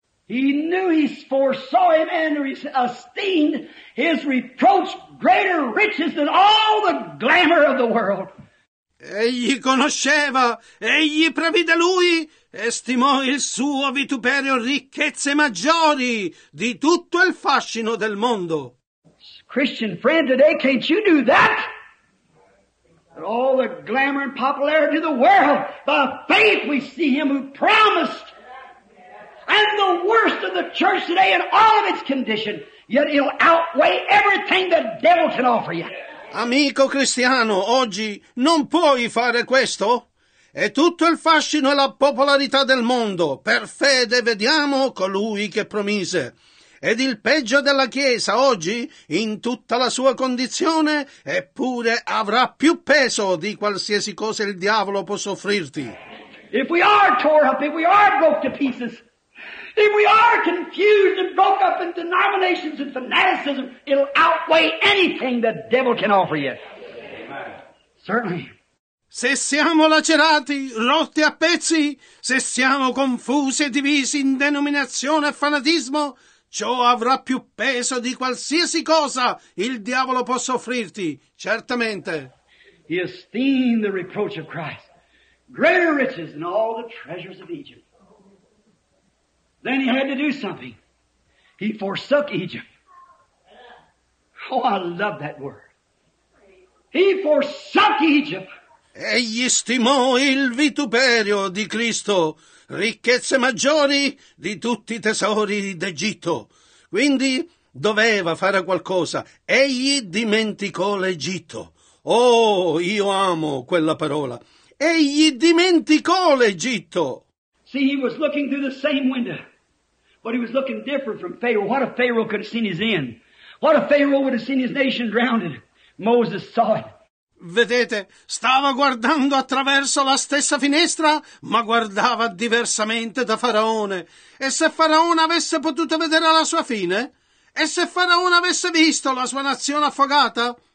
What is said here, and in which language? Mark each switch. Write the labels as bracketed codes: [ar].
[en] He knew, he foresaw him, and he esteemed his reproach greater riches than all the glamour of the world. [it] Egli conosceva, egli previde lui, estimò il suo vituperio ricchezze maggiori di tutto il fascino del mondo. [en] Christian friend, today can't you do that? That all the glamour and popularity of the world, by faith we see him who promised. And the worst of the church today in all of its condition, yet it'll outweigh everything the devil can offer you. [it] Amico cristiano, oggi non puoi fare questo? E tutto il fascino e la popolarità del mondo, per fede vediamo colui che promise. Ed il peggio della Chiesa oggi, in tutta la sua condizione, eppure avrà più peso di qualsiasi cosa il diavolo possa offrirti. [en] If we are tore up, if we are broke to pieces, if we are confused and broke up in denominations and fanaticism, it'll outweigh anything the devil can offer you. Certainly. [it] Se siamo lacerati, rotti a pezzi, se siamo confusi e divisi in denominazione e fanatismo, ciò avrà più peso di qualsiasi cosa il diavolo possa offrirti, certamente. [en] He esteemed the reproach of Christ greater riches than all the treasures of Egypt. Then he had to do something. He forsook Egypt. Oh, I love that word. He forsook Egypt. [it] Egli stimò il vituperio di Cristo, ricchezze maggiori di tutti i tesori d'Egitto. Quindi doveva fare qualcosa. Egli dimenticò l'Egitto. Oh, io amo quella parola. Egli dimenticò l'Egitto. [en] See, he was looking through the same window. But he was looking different from Pharaoh. What if Pharaoh could have seen his end? What if Pharaoh would have seen his nation drowned? Moses saw it. [it] Vedete, stava guardando attraverso la stessa finestra, ma guardava diversamente da Faraone. E se Faraone avesse potuto vedere la sua fine? E se Faraone avesse visto la sua nazione affogata?